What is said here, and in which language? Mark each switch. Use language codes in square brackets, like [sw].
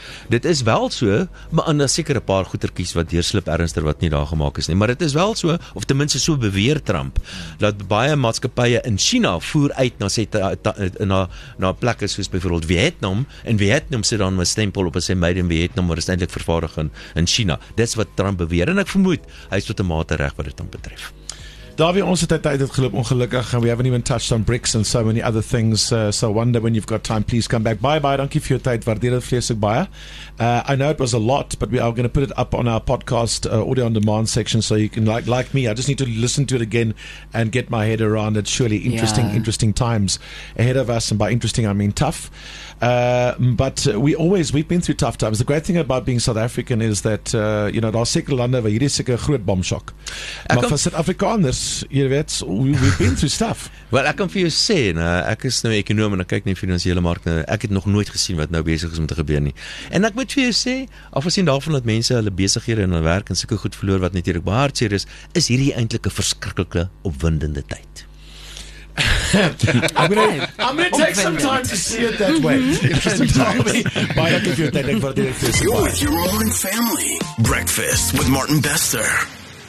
[af] Dit is wel so, maar aan 'n sekere paar goedertjies wat deurslip ernstiger wat nie daar gemaak is nie, maar dit is wel so, of ten minste so beweer Trump, dat baie maatskappye in China voer uit na na plekke soos byvoorbeeld Vietnam, en Vietnam sit dan 'n stempel op as hy made in Vietnam, maar is eintlik vervaardig in China. Dis wat Trump beweer, en ek vermoed hy is tot 'n mate reg wat dit dan betref. [en] Davie, [af] ons het tyd het geloop ongelukkig, [en] and we haven't even touched on BRICS and so many other things, so wonder when you've got time, please come back. [af] Bye-bye, dankie vir jou tyd, waardeer dit vreeslik baie. [en] I know it was a lot, but we are going to put it up on our podcast audio on demand section, so you can, like me, I just need to listen to it again and get my head around it. Surely interesting times ahead of us, and by interesting I mean tough. But we've been through tough times. The great thing about being South African is that you know, [af] daar seker lande waar hierdie seker groot bom shock. Maar vir Suid-Afrikaners, jy weet, [en] we've been through stuff. [af] Well, ek kan vir jou sê, ek is nou 'n ekonoom en ek kyk na die finansiële markte. Ek het nog nooit gesien wat nou besig is om te gebeur nie. En ek moet vir jou sê, afgesien daarvan dat mense hulle besighede en hulle werk en sulke goed verloor wat natuurlik baie hartseer is hierdie eintlik 'n verskriklike opwindende tyd. [en] I'm gonna take some time to see it that way. Interesting. You're with your own family. Breakfast with Martin Bester.